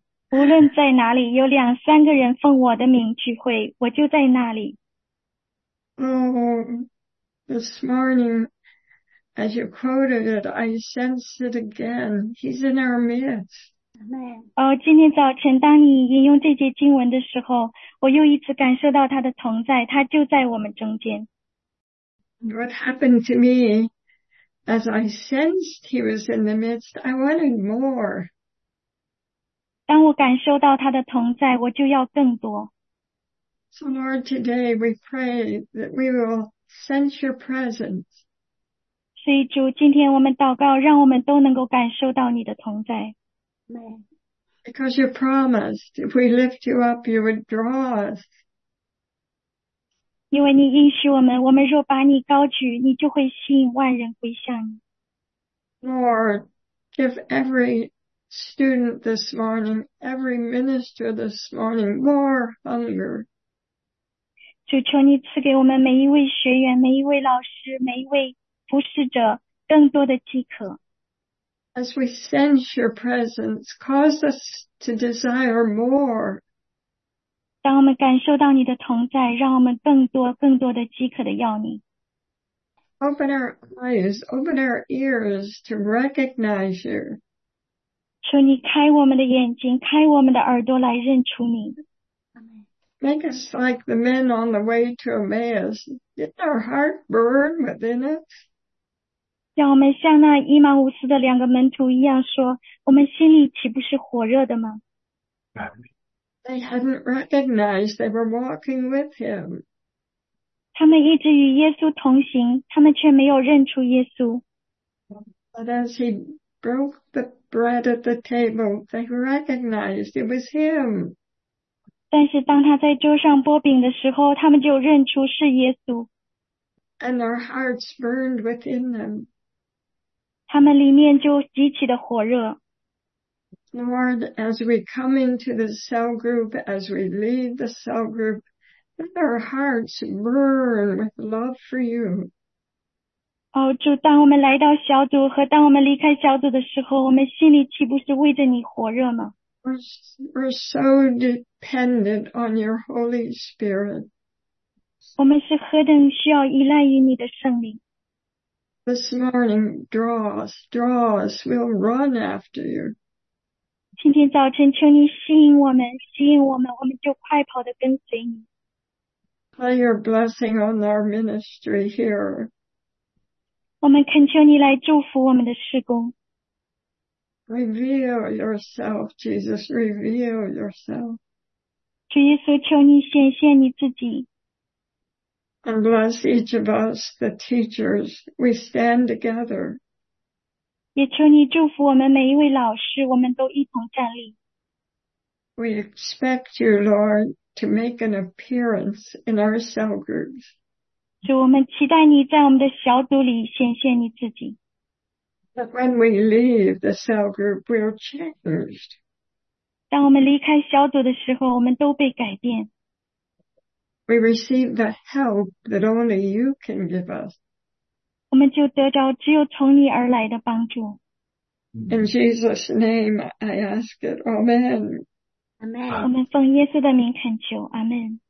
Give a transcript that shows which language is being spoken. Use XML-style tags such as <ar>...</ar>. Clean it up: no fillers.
<zh>无论在哪里有两三个人奉我的名聚会，我就在那里。</zh> <en>Oh, this morning, as you quoted it, I sensed it again. He's in our midst.</en> <zh>哦，今天早晨当你引用这节经文的时候，我又一次感受到他的同在，他就在我们中间。</zh> <en>What happened to me as I sensed he was in the midst, I wanted more.</en> <zh>当我感受到他的同在，我就要更多。</zh> <en>So Lord, today we pray that we will sense your presence.</en> <zh>所以主，今天我们祷告，让我们都能够感受到你的同在。</zh> <en>Because you promised, if we lift you up, you would draw us.</en> <zh>因为你应许我们，我们若把你高举，你就会吸引万人归向你。</zh> <en>Lord, give every student this morning, every minister this morning, more hunger.</en> <zh>主，求你赐给我们每一位学员、每一位老师、每一位服侍者更多的饥渴。</zh> <en>As we sense your presence, cause us to desire more.</en> <zh>当我们感受到你的同在，让我们更多、更多的饥渴的要你。</zh> <en>Open our eyes, open our ears to recognize you.</en> <zh>求你开我们的眼睛，开我们的耳朵来认出你。</zh> <en>Make us like the men on the way to Emmaus. Didn't our heart burn within us?</en> <zh>让我们像那以马忤斯的两个门徒一样说，我们心里岂不是火热的吗？</zh> <en>They hadn't recognized they were walking with him.</en> <zh>他们一直与耶稣同行，他们却没有认出耶稣。</zh> <en>But as he broke the bread at the table, they recognized it was him.</en> <zh>但是当他在桌上拨饼的时候，他们就认出是耶稣。</zh> <en>And their hearts burned within them.</en> <zh>他们里面就极其的火热。</zh> <en>Lord, as we come into the cell group, as we lead the cell group, let our hearts burn with love for you.</en> <zh>哦，主，当我们来到小组和当我们离开小组的时候，我们心里岂不是为着你火热吗？</zh> <en>We're so dependent on your Holy Spirit.</en> <zh>我们是何等需要依赖于你的圣灵。</zh> <en>This morning, draw us, draw us. We'll run after you.</en> <zh>今天早晨，求你吸引我们，吸引我们，我们就快跑地跟随你。</zh> <en>Pray your blessing on our ministry here.</en> <zh>我们恳求你来祝福我们的事工。</zh> <en>Reveal yourself, Jesus. Reveal yourself.</en> <zh>主耶稣，求你显现你自己。</zh> <en>And bless each of us, the teachers. We stand together.</en> <zh>也求你祝福我们每一位老师，我们都一同站立。</zh> <en>We expect you, Lord, to make an appearance in our cell groups.</en> <zh>主，我们期待你在我们的小组里显现你自己。</zh> <en>But when we leave the cell group, we're changed.</en> <zh>当我们离开小组的时候，我们都被改变。</zh> <en>We receive the help that only you can give us.</en> <zh>我们就得着只有从你而来的帮助。</zh> <en>In Jesus' name, I ask it. Amen. Amen.</en> <zh>我们奉耶稣的名恳求。阿门。</zh>